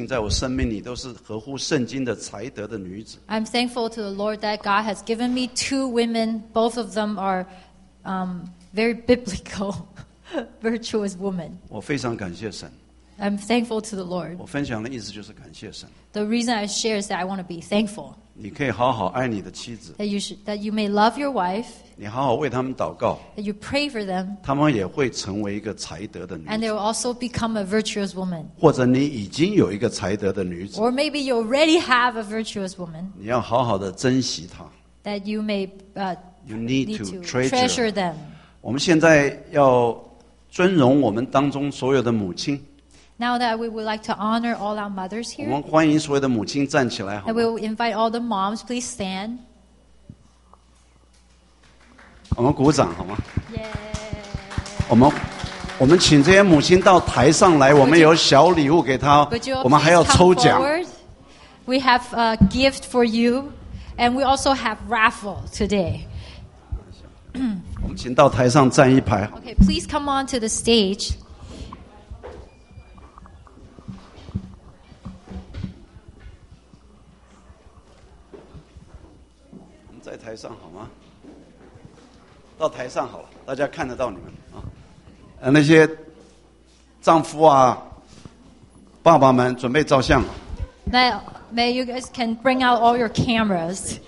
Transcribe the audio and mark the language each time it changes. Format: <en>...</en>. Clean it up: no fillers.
<zh>我感谢神给我两个这重要的女性在我生命里都是合乎圣经的才德的女子。</zh> <en>I'm thankful to the Lord that God has given me two women. Both of them are very biblical. Virtuous woman.</en> <zh>我非常感谢神。</zh> <en>I'm thankful to the Lord.</en> <zh>我分享的意思就是感谢神。</zh> <en>The reason I share is that I want to be thankful.</en> <zh>你可以好好爱你的妻子。</zh> <en>That you may love your wife.</en> <zh>你好好为他们祷告。</zh> <en>That you pray for them.</en> <zh>他们也会成为一个才德的女子。</zh> <en>And they will also become a virtuous woman.</en> <zh>或者你已经有一个才德的女子。</zh> <en>Or maybe you already have a virtuous woman.</en> <zh>你要好好的珍惜她。</zh> <en>That you may you need to treasure them.</en> <zh>我们现在要 尊荣我们当中所有的母亲。</zh> <en>Now that we would like to honor all our mothers here.</en> <zh>我们欢迎所有的母亲站起来，好吗？</zh> <en>We will invite all the moms, please stand.</en> <zh>我们鼓掌，好吗？耶！我们我们请这些母亲到台上来，我们有小礼物给她，我们还要抽奖。</zh> <en>We have a gift for you, and we also have raffle today.</en> <zh>我们请到台上站一排。</zh> <en>Okay, please come on to the stage.</en> <zh>我们在台上好吗？到台上好了，大家看得到你们。那些丈夫啊爸爸们准备照相。</zh> <en>May you guys can bring out all your cameras.</en>